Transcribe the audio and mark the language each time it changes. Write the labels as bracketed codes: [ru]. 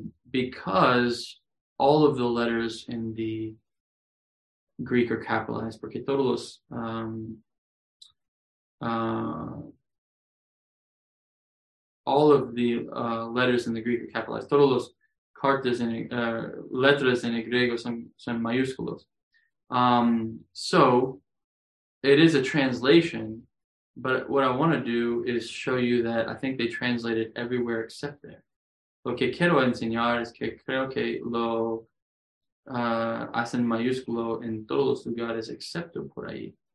[en] Because all of the letters in the Greek are capitalized. [es] Porque todos los... [en] all of the letters in the Greek are capitalized. [es] Todos los cartas en letras en el griego son mayúsculos. [en] So it is a translation, but what I want to do is show you that I think they translated everywhere except there. [es] Lo que quiero enseñar es que creo que lo hacen mayúsculo en todos los lugares excepto por ahí.